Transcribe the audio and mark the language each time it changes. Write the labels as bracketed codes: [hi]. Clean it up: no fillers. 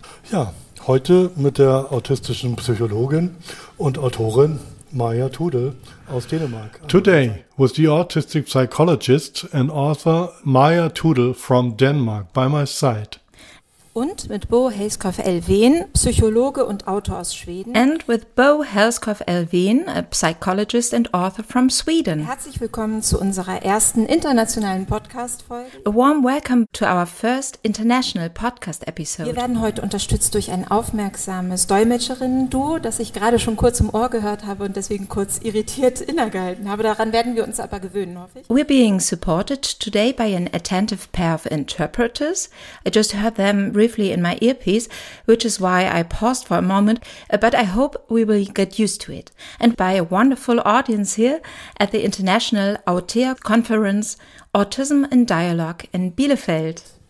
[de] Ja, heute mit der autistischen Psychologin und Autorin Maja Tudel aus Dänemark. [en] Today with the autistic psychologist and author Maja Tudel from Denmark by my side. [de] Und mit Bo Helskov-Elven, Psychologe und Autor aus Schweden. [en] And with Bo Helskov-Elven, a psychologist and author from Sweden. [de] Herzlich willkommen zu unserer ersten internationalen Podcast-Folge. [en] A warm welcome to our first international podcast episode. [de] Wir werden heute unterstützt durch ein aufmerksames Dolmetscherinnen-Duo, das ich gerade schon kurz im Ohr gehört habe und deswegen kurz irritiert innegehalten habe. Daran werden wir uns aber gewöhnen, hoffe ich. [en] We're being supported today by an attentive pair of interpreters. I just heard them briefly in my earpiece, which is why I paused for a moment, but I hope we will get used to it. And by a wonderful audience here at the International AUTEA Conference, Autism in Dialogue in Bielefeld.